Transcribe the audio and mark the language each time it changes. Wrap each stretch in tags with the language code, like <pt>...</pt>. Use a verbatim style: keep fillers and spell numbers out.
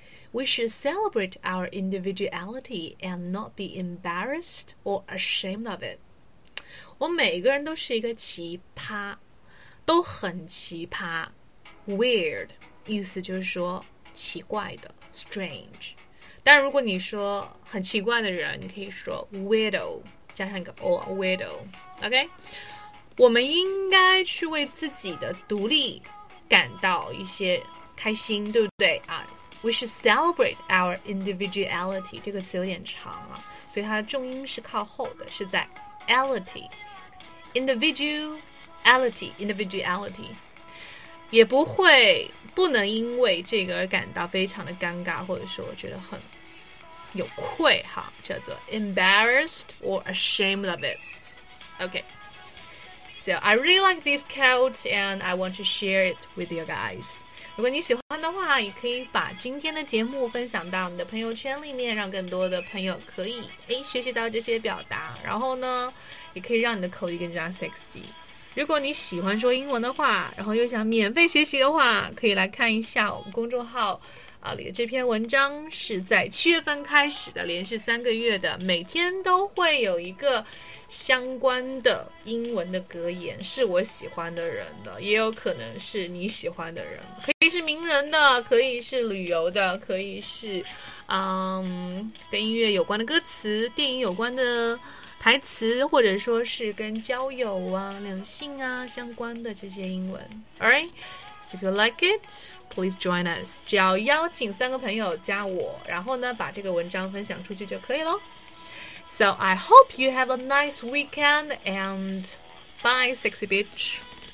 <en>We should celebrate our individuality and not be embarrassed or ashamed of it.</en> <zh>我每个人都是一个奇葩，都很奇葩。 Weird 意思就是说奇怪的 ，strange。但如果你说很奇怪的人，你可以说 weirdo 加上一个 or weirdo。 OK， 我们应该去为自己的独立感到一些开心，对不对啊？</zh> <en>We should celebrate our individuality，</en> <zh>这个词有点长啊，所以它的重音是靠后的，是在 ality individuality individuality， 也不会不能因为这个而感到非常的尴尬，或者说我觉得很有愧哈，叫做</zh> <en>embarrassed or ashamed of it。 OK， so I really like this quote and I want to share it with you guys。</en> <zh>如果你喜欢的话，也可以把今天的节目分享到你的朋友圈里面，让更多的朋友可以诶学习到这些表达，然后呢也可以让你的口语更加 sexy。如果你喜欢说英文的话，然后又想免费学习的话，可以来看一下我们公众号啊里的这篇文章是在七月份开始的，连续三个月的，每天都会有一个相关的英文的格言，是我喜欢的人的，也有可能是你喜欢的人，可以是名人的，可以是旅游的，可以是嗯跟音乐有关的歌词，电影有关的台词，或者说是跟交友啊、两性啊相关的这些英文。</zh> <en>Alright, so if you like it, please join us.</en> <zh>只要邀请三个朋友加我，然后呢把这个文章分享出去就可以咯。</zh> <en>So I hope you have a nice weekend and bye, sexy bitch.</en>